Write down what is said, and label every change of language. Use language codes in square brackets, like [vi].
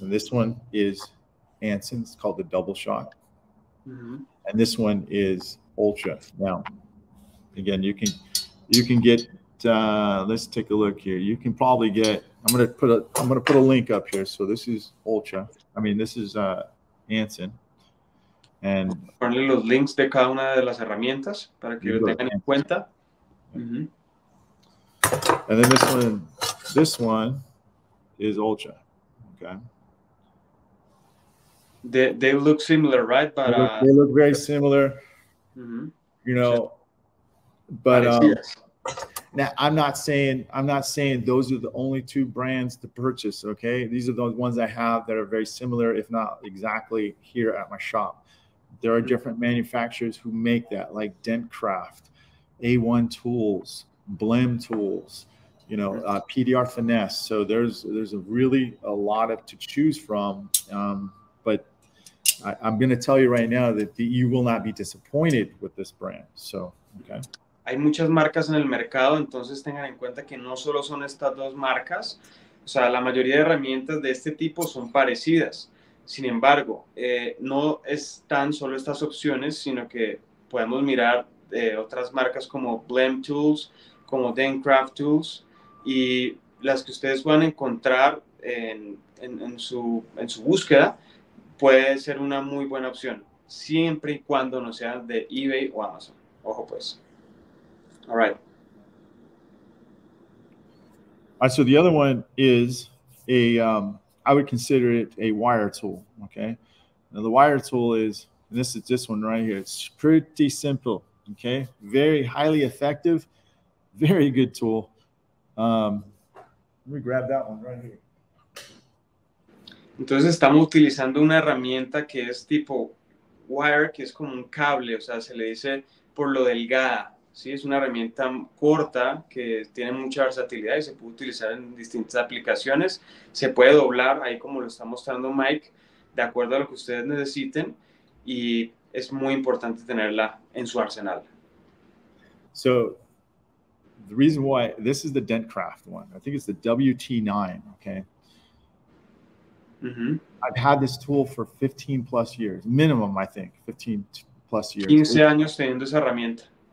[en] And this one is Anson. It's called the Double Shot. Mm-hmm. And this one is Ultra. Now, again, you can get, let's take a look here. You can probably get, I'm going to put a link up here. So this is Ultra. I mean, this is Anson. And [es] ponle los links de cada una de las herramientas para que lo tengan en cuenta. Mm-hmm. [en] And then this one is Ultra. Okay. They look similar, right? But they look very similar. Mm-hmm. You know, but now I'm not saying those are the only two brands to purchase. Okay, these are the ones I have that are very similar, if not exactly, here at my shop. There are different manufacturers who make that, like Dentcraft, A1 Tools, Blem Tools. You know, PDR Finesse. So there's a really a lot of to choose from. But I'm going to tell you right now that you will not be disappointed with this brand. So, okay. [es] Hay muchas marcas en el mercado, entonces tengan en cuenta que no solo son estas dos marcas. O sea, la mayoría de herramientas de este tipo son parecidas. Sin embargo, no están solo estas opciones, sino que podemos mirar otras marcas como Blem Tools, como Dentcraft Tools. Y las que ustedes van a encontrar en su búsqueda puede ser una muy buena opción, siempre y cuando no sea de eBay o Amazon. Ojo pues. [en] All right. So the other one is I would consider it a wire tool, okay? Now the wire tool is, and this is this one right here. It's pretty simple, okay? Very highly effective, very good tool. Let me grab that one right here. [es] Entonces estamos utilizando una herramienta que es tipo wire, que es como un cable, o sea, se le dice por lo delgada, ¿sí? Es una herramienta corta que tiene mucha versatilidad y se puede utilizar en distintas aplicaciones. Se puede doblar, ahí como lo está mostrando Myke, de acuerdo a lo que ustedes necesiten, y es muy importante tenerla en su arsenal. [en] So, the reason why this is the Dentcraft one, I think it's the WT9. Okay. Mm-hmm. I've had this tool for 15 plus years, minimum, I think, 15 plus years. [es] 15 años teniendo esa herramienta.